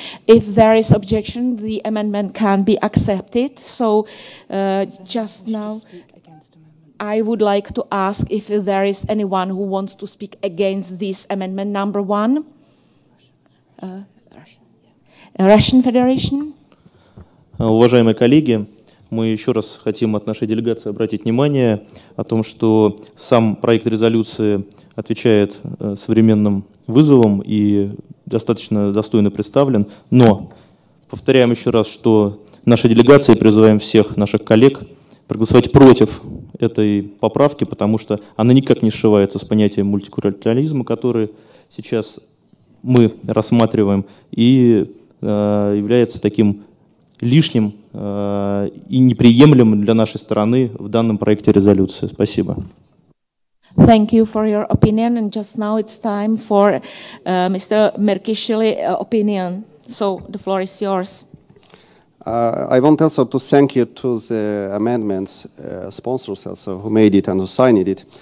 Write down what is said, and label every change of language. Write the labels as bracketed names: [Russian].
[English] If there is objection, the amendment can be accepted. So just now, I would like to ask if there is anyone who wants to speak against this amendment number one. Russian Federation. [Russian] Уважаемые коллеги, мы еще раз хотим от нашей делегации обратить внимание о том, что сам проект резолюции отвечает современным вызовам и достаточно достойно представлен. Но повторяем еще раз, что наша делегация, призываем всех наших коллег проголосовать против этой поправки, потому что она никак не сшивается с понятием мультикультурализма, который сейчас мы рассматриваем, и является таким лишним и неприемлемым для нашей страны в данном проекте резолюции. Спасибо. [English] Thank you for your opinion, and just now it's time for Mr. Merkishvili's opinion. So the floor is yours. I want also to thank you to the amendments sponsors also who made it and who signed it.